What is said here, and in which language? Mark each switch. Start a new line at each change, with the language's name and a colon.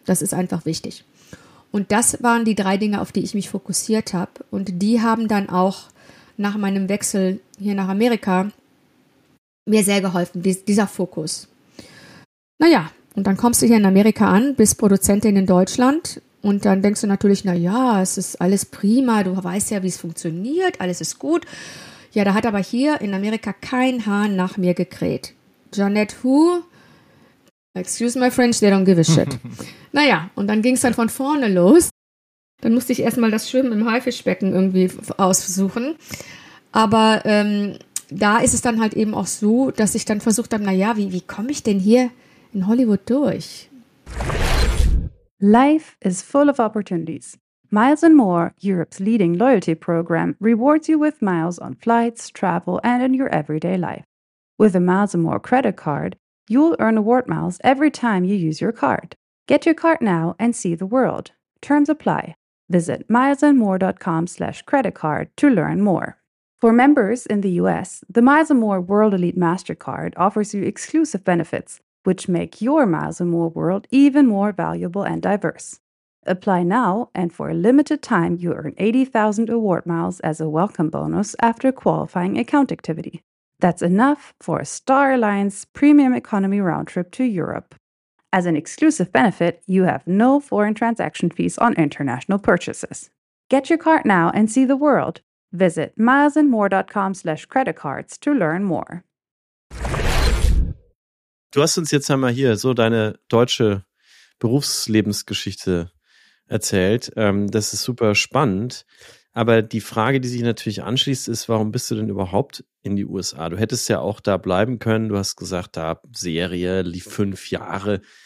German: Das ist einfach wichtig. Und das waren die 3 Dinge, auf die ich mich fokussiert habe und die haben dann auch nach meinem Wechsel hier nach Amerika mir sehr geholfen, dieser Fokus. Naja, und dann kommst du hier in Amerika an, bist Produzentin in Deutschland und dann denkst du natürlich, naja, es ist alles prima, du weißt ja, wie es funktioniert, alles ist gut. Ja, da hat aber hier in Amerika kein Haar nach mir gekräht.
English: Jeanette, who? Excuse my French, they don't give a shit.
German: Naja, und dann ging es dann von vorne los. Dann musste ich erstmal das Schwimmen im Haifischbecken irgendwie aussuchen. Aber da ist es dann halt eben auch so, dass ich dann versucht habe, naja, wie komme ich denn hier in Hollywood durch?
English: Life is full of opportunities. Miles & More, Europe's leading loyalty program, rewards you with miles on flights, travel and in your everyday life. With a Miles & More credit card, you'll earn award miles every time you use your card. Get your card now and see the world. Terms apply. Visit milesandmore.com/creditcard to learn more. For members in the U.S., the Miles & More World Elite MasterCard offers you exclusive benefits, which make your Miles & More world even more valuable and diverse. Apply now, and for a limited time, you earn 80,000 award miles as a welcome bonus after qualifying account activity. That's enough for a Star Alliance Premium Economy round trip to Europe. As an exclusive benefit, you have no foreign transaction fees on international purchases. Get your card now and see the world. Visit milesandmore.com/creditcards to learn more.
German: Du hast uns jetzt einmal hier so deine deutsche Berufslebensgeschichte erzählt. Das ist super spannend. Aber die Frage, die sich natürlich anschließt, ist, warum bist du denn überhaupt in die USA? Du hättest ja auch da bleiben können. Du hast gesagt, da Serie lief 5 Jahre.